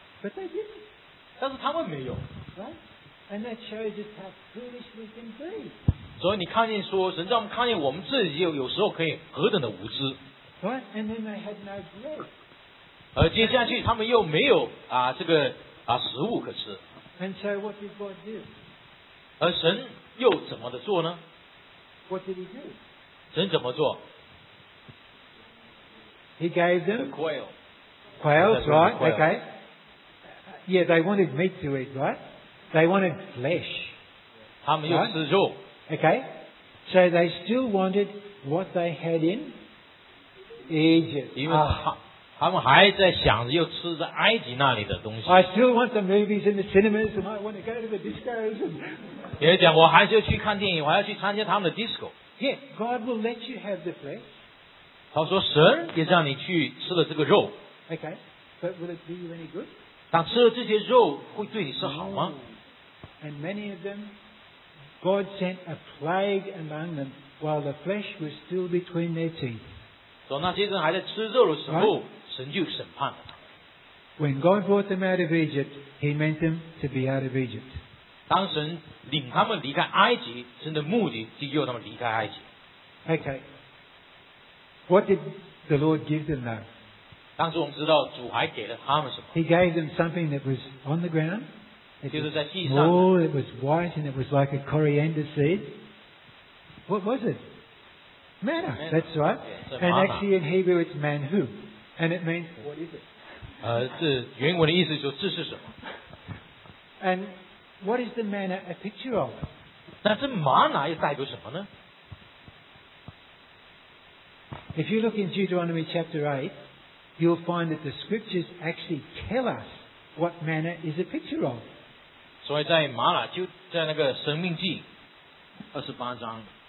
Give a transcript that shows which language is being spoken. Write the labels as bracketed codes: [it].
[en] But they didn't. [zh] 但是他们没有。 [en] Right? And that shows us how foolish we can be. [zh] 所以你看见说，神让我们看见我们自己有时候可以何等的无知。 [en] Right? And then they had no bread. [zh] 而接下去他们又没有啊这个啊食物可吃。 [en] And so what did God do? [zh] 而神又怎么的做呢？ [en] What did he do? [zh] 神怎么做？ [en] He gave them the quail. Quails, right? Okay. Yeah, they wanted meat to eat, right? They wanted flesh. [zh] 他们要吃肉。 [en] Okay. So they still wanted what they had in Egypt. [zh] 因为他们还在想着要吃在埃及那里的东西。 [en] I still want the movies in the cinemas and I want to go to the discos. [zh] 也讲我还是要去看电影，我还要去参加他们的 disco。 [en] Yeah, God will let you have the flesh. [zh] 他说神也让你去吃了这个肉。 [en] Okay, but will it do you any good? [zh] 但吃了这些肉会对你是好吗？ [en] And many of them, God sent a plague among them while the flesh was still between their teeth. [zh] 所以那些人还在吃肉的时候，神就审判了他。 [en] When God brought them out of Egypt, He meant them to be out of Egypt. [zh] 当神领他们离开埃及，神的目的就要他们离开埃及。 [en] Okay. What did the Lord give them now? [zh] 当时我们知道主还给了他们什么？ [en] He gave them something that was on the ground. [zh] 就是在地上。 [en] Oh, it was white and it was like a coriander seed. What was it? Manna. That's right. Yeah, and actually in Hebrew it's manhu, and it means what is it? [zh] 这原文的意思就是这是什么 [en] ？And What is the manna a picture of? [zh] 那这玛拿又代表什么呢？ [en] If you look in Deuteronomy chapter 8, you'll find that the scriptures actually tell us what manna is a picture of. [zh] 所以在玛拿就在那个《生命记》28章。